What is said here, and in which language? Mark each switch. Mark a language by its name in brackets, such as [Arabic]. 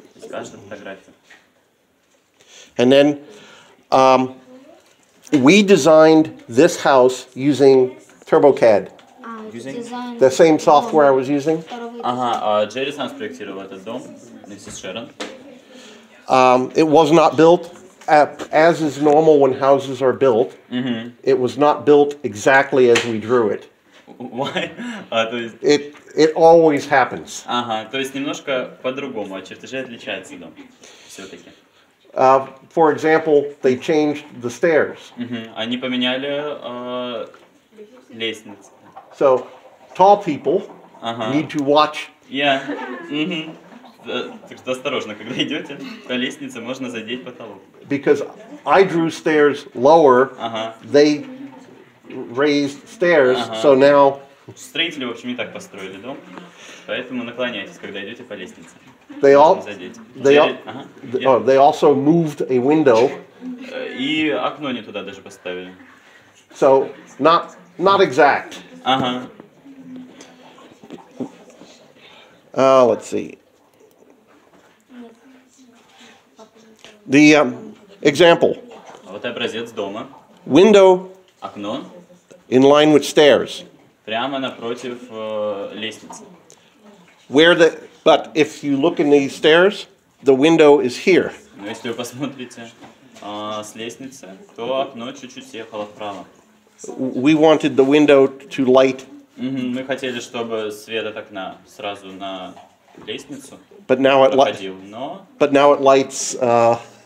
[Russian] Каждую фотографию. [English] And then we designed this house using TurboCAD. Using the same software I was using. [Russian] Jerry сам спроектировал этот дом вместе с Шерон. [English] It was not built as is normal when houses are built. Mm-hmm. It was not built exactly as we drew it. Why? It always happens. [Russian] То есть немножко по-другому, а чертежи отличаются дом. Все-таки. [English] For example, they changed the stairs. [Russian] Mm-hmm. Они поменяли лестницы. [English] So, tall people need to watch. Yeah. Mm-hmm. [Russian] Так что осторожно, когда идете по лестнице, можно задеть потолок. [English] Because I drew stairs lower, they raised stairs, so now... [Russian] Строители, в общем, не так построили дом, поэтому наклоняйтесь, когда идете по лестнице. [English] They also moved a window. [Russian] И окно не туда даже поставили. [English] So, not exact. Uh-huh. Let's see. The example. [Russian] Вот образец дома. [English] Window. [Russian] Окно. [English] In line with stairs. [Russian] Прямо напротив лестницы. [English] Where the... But if you look in these stairs, the window is here. [Russian] Ну, если вы посмотрите с лестницы, то окно чуть-чуть съехало вправо. [English] We wanted the window to light. Mm-hmm. [Russian] Мы хотели, чтобы свет от окна сразу на лестницу [English] but now it [Russian] проходил, но... [English] But now it lights... No.